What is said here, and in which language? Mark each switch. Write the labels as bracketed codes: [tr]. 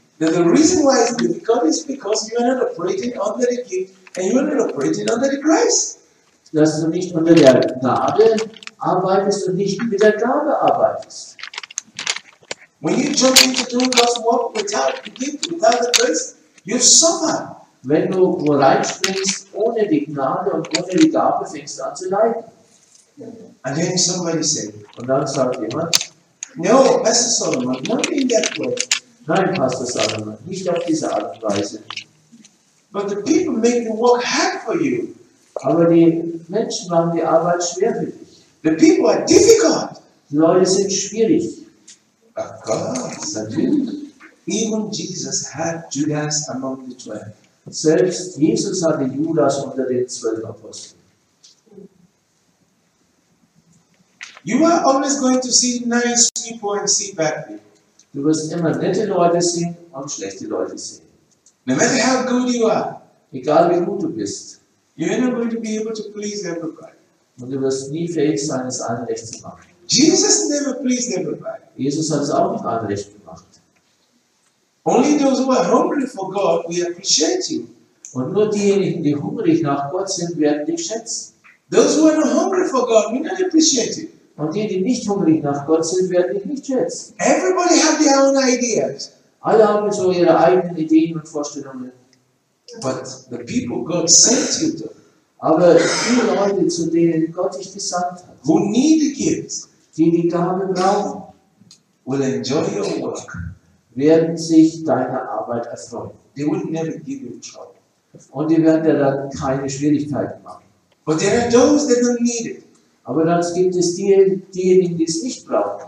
[en] That the reason why it's difficult is because you are not operating under the gift and you are not operating under the grace. [de] Dass du nicht unter der Gnade arbeitest und nicht mit der Gabe arbeitest. [en] When you jump into doing God's work without the gift, without the grace, you suffer. [de] Wenn du wo reinspringst ohne die Gnade und ohne die Gabe, fängst du an zu leiden. [en] And then somebody said, [de] und dann sagt jemand, [en] no, Pastor Solomon, not in that way. [de] Nein, Pastor Solomon, nicht auf diese Art und Weise. [en] But the people make the work hard for you. [de] Aber die Menschen machen die Arbeit schwer für dich. [en] The people are difficult. [de] Die Leute sind schwierig. [en] Of course. [de] Natürlich. [en] Even Jesus had Judas among the 12. [de] Selbst Jesus hatte Judas unter den 12 Aposteln. [en] You are always going to see nice people and see bad people. [de] Du wirst immer nette Leute sehen und schlechte Leute sehen. [en] No matter how good you are. [de] Egal wie gut du bist. [en] You are not going to be able to please everybody. [de] Und du wirst nie fähig sein, es allen recht zu machen. [en] Jesus never pleased everybody. [de] Jesus hat es auch nicht allen recht gemacht. [en] Only those who are hungry for God will appreciate you. [de] Und nur diejenigen, die hungrig nach Gott sind, werden dich schätzen. [en] Those who are not hungry for God will not appreciate you. [de] Und die, die nicht hungrig nach Gott sind, werden dich nicht schätzen. [en] Everybody have their own ideas. [de] Alle haben so ihre eigenen Ideen und Vorstellungen. [en] But the people God sent you to. [de] Aber die Leute, zu denen Gott dich gesandt hat. [en] Who need the gifts. [de] Die die Gabe brauchen. [en] Will enjoy your work. [de] Werden sich deiner Arbeit erfreuen. [en] They will never give you trouble. [de] Und die werden dir dann keine Schwierigkeiten machen. [en] But there are those that don't need it. [de] Aber dann gibt es diejenigen, die es nicht brauchen.